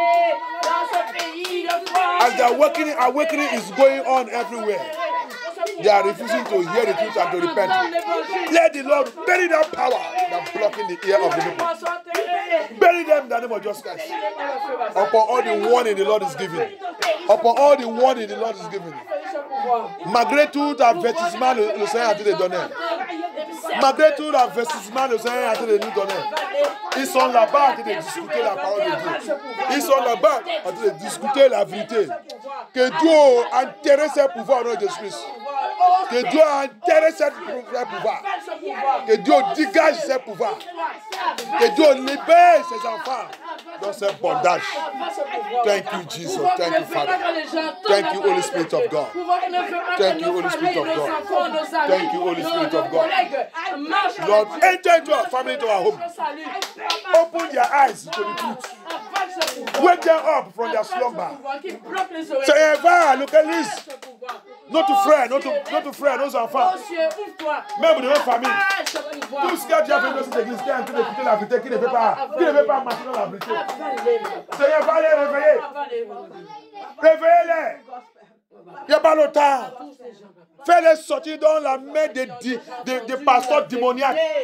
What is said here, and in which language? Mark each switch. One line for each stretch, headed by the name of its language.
English: As the awakening is going on everywhere, they are refusing to hear the truth and to repent. Let the Lord bury that power that blocking the ear of the people. Bury them in the name of Jesus Christ. Upon all the warning the Lord is giving. Upon all the warning the Lord is giving.
French: Malgré tout avertissement, le Seigneur a dit de donner. Malgré tout l'avertissement, le Seigneur a dit de nous donner. Ils sont là-bas en train de discuter la parole de Dieu. Ils sont là-bas en train de discuter la vérité. Que Dieu a enterré ce pouvoir au nom de Jésus Christ. Que Dieu a enterré ce pouvoir. Que Dieu dégage ce pouvoir. Que Dieu libère ses enfants dans ce
English: bondage. Thank you, Jesus. Thank you, Father. Thank you, Holy Spirit of God. Thank you, Holy Spirit of God. Thank you, Holy Spirit of God. Lord, enter into our family, into our home. Open their eyes to the truth. Wake them up from their slumber. Say, va, look at this. Not a friend, not a friend, those are fans.
French: Même de la famille. Tout ce qui a déjà fait dans cette église, qui est en train de quitter la vérité, qui ne veut pas, maintenant la vérité. Seigneur, va les réveiller. Réveillez-les. Il n'y a pas le temps. Fais-les sortir dans la main des pasteurs démoniaques.